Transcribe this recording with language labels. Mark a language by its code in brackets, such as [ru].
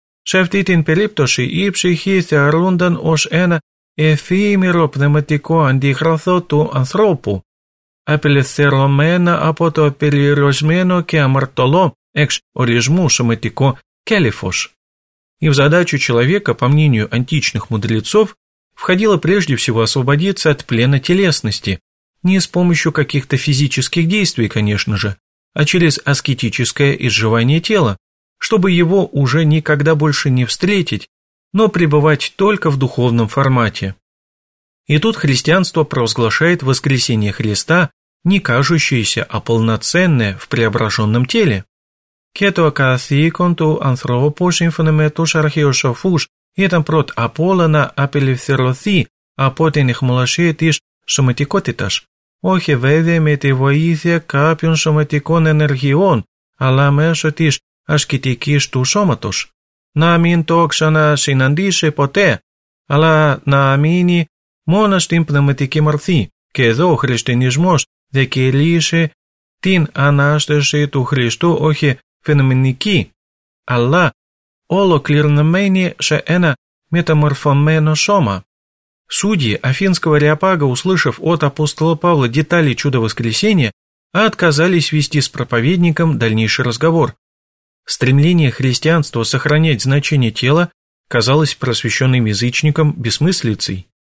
[el] Σε αυτή την περίπτωση η ψυχή θεωρούνταν ως ένα εφήμερο πνευματικό αντίγραφο του ανθρώπου. Απελευθερωμένα από το περιορισμένο και αμαρτωλό εξ ορισμού σωματικό κέλυφος. [ru] И в задачу человека, по мнению античных мудрецов, входило прежде всего освободиться от плена телесности, не с помощью каких-то физических действий, конечно же, а через аскетическое изживание тела, чтобы его уже никогда больше не встретить, но пребывать только в духовном формате. И тут христианство провозглашает воскресение Христа, не кажущееся, а полноценное в преображенном теле. [el] Και το καθήκον του ανθρώπου σύμφωνα με τους αρχαιοσοφούς ήταν πρώτα απ' όλα να απελευθερωθεί από την αιχμολασία της σωματικότητας, όχι βέβαια με τη βοήθεια κάποιων σωματικών ενεργειών, αλλά μέσω της ασκητικής του σώματος. Να μην το ξανασυναντήσει ποτέ, αλλά να μείνει μόνο στην πνευματική μορφή. Και εδώ ο χριστιανισμός διακηρύσσε την Ανάσταση του Χριστού όχι φαινομενική, αλλά ολοκληρωμένη σε ένα μεταμορφωμένο σώμα. [ru] Судьи Афинского Ареопага, услышав от апостола Павла детали чуда воскресения, отказались вести с проповедником дальнейший разговор. Стремление христианства сохранять значение тела казалось просвещенным язычникам бессмыслицей.